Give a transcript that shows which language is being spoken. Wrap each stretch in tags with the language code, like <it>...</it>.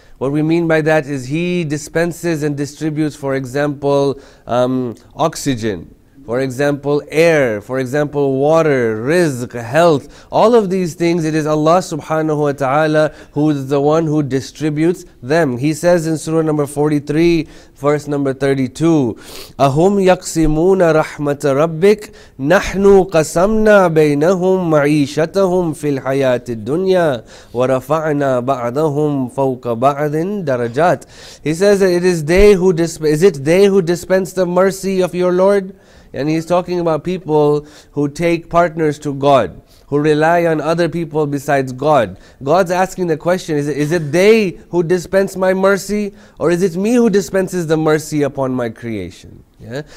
<en>What we mean by that is he dispenses and distributes, for example, oxygen, for example, air, for example, water, rizq, health. All of these things, it is Allah subhanahu wa ta'ala who is the one who distributes them. He says in surah number 43, verse number 32,</en> <ar>أَهُمْ يَقْسِمُونَ رَحْمَةَ رَبِّكَ نَحْنُ قَسَمْنَا بَيْنَهُمْ مَعِيشَتَهُمْ فِي الْحَيَاةِ الدُّنْيَا وَرَفَعْنَا بَعْضَهُمْ فَوْقَ بَعْضٍ دَرَجَاتٍ.</ar> <en>He says that is it they who dispense the mercy of your Lord? And he's talking about people who take partners to God, who rely on other people besides God. God's asking the question, is it they who dispense my mercy, or is it me who dispenses the mercy upon my creation? Yeah?</en>